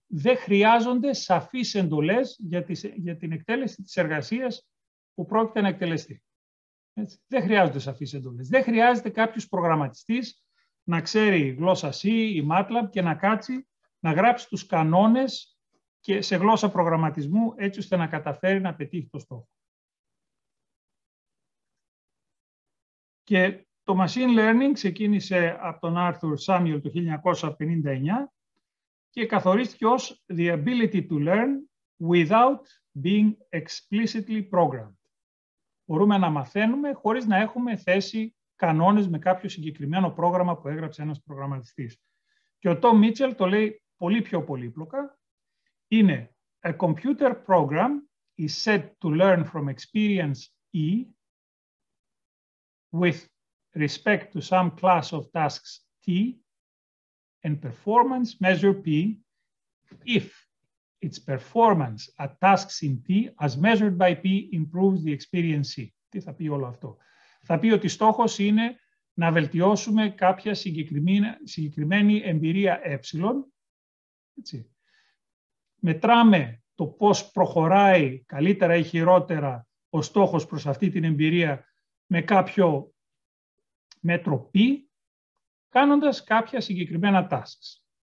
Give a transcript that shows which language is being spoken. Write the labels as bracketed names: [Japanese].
[Greek] Δεν χρειάζονται σαφείς εντολές για την εκτέλεση της εργασίας που πρόκειται να εκτελεστεί. Έτσι. Δεν χρειάζονται σαφείς εντολές. Δεν χρειάζεται κάποιος προγραμματιστής να ξέρει γλώσσα C ή MATLAB και να κάτσει να γράψει τους κανόνες και σε γλώσσα προγραμματισμού έτσι ώστε να καταφέρει να πετύχει το στόχο. Και το machine learning ξεκίνησε από τον Arthur Samuel το 1959 και καθορίστηκε ως [English] the ability to learn without being explicitly programmed. [Greek] Μπορούμε να μαθαίνουμε χωρίς να έχουμε θέσει κανόνες με κάποιο συγκεκριμένο πρόγραμμα που έγραψε ένας προγραμματιστής. Και ο Tom Mitchell το λέει πολύ πιο πολύπλοκα. [English] Είναι a computer program is said to learn from experience E with respect to some class of tasks T and performance measure P if its performance at tasks in T as measured by P improves the experience C. [Greek] Τι θα πει όλο αυτό? Θα πει ότι στόχος είναι να βελτιώσουμε κάποια συγκεκριμένη εμπειρία ε. Έτσι. Μετράμε το πώς προχωράει καλύτερα ή χειρότερα ο στόχος προς αυτή την εμπειρία με κάποιο μέτρο P, κάνοντας κάποια συγκεκριμένα tasks.